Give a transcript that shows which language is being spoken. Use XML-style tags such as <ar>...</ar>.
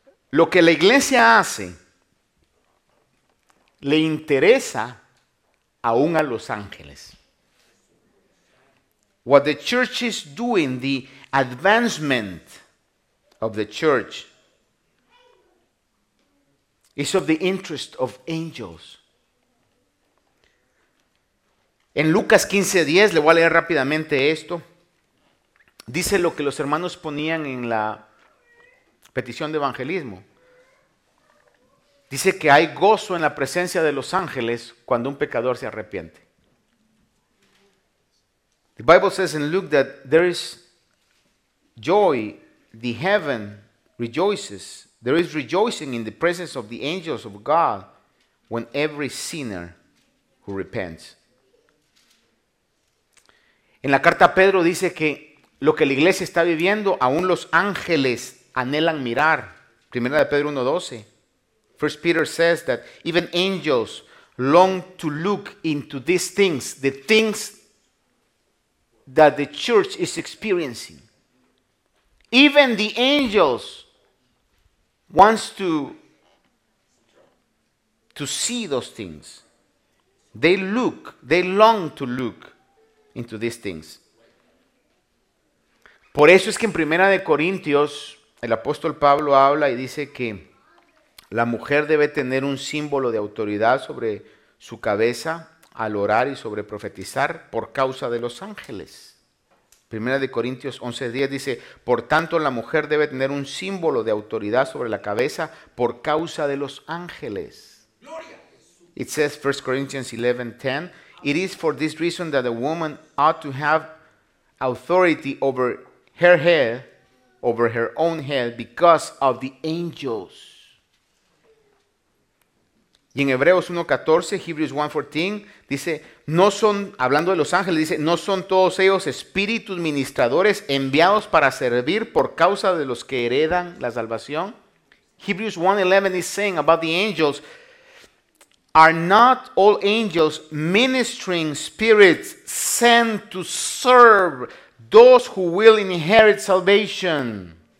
<es>Lo que la iglesia hace le interesa aún a los ángeles.</es> <en>What the church is doing, the advancement of the church, is of the interest of angels.</en> <es>En Lucas 15:10, le voy a leer rápidamente esto, dice lo que los hermanos ponían en la petición de evangelismo. Dice que hay gozo en la presencia de los ángeles cuando un pecador se arrepiente.</es> <en>The Bible says in Luke that there is joy, the heaven rejoices. There is rejoicing in the presence of the angels of God when every sinner who repents.</en> <es>En la carta a Pedro dice que lo que la iglesia está viviendo, aún los ángeles anhelan mirar. Primera de Pedro 1:12.</es> <en>First Peter says that even angels long to look into these things, the things that the church is experiencing. Even the angels wants to see those things. They look, they long to look into these things.</en> <es>Por eso es que en Primera de Corintios el apóstol Pablo habla y dice que la mujer debe tener un símbolo de autoridad sobre su cabeza al orar y sobre profetizar por causa de los ángeles. Primera de Corintios 11:10 dice, por tanto la mujer debe tener un símbolo de autoridad sobre la cabeza por causa de los ángeles. Gloria.</es> <en>It says 1 Corinthians 11:10, it is for this reason that a woman ought to have authority over her head, over her own head, because of the angels.</en> <es>Y en Hebreos 1:14,</es> <en>Hebrews 1:14,</en> <es>dice, no son, hablando de los ángeles, dice, no son todos ellos espíritus ministradores enviados para servir por causa de los que heredan la salvación.</es> <en>Hebrews 1:11 is saying about the angels, are not all angels ministering spirits sent to serve those who will inherit salvation?</en>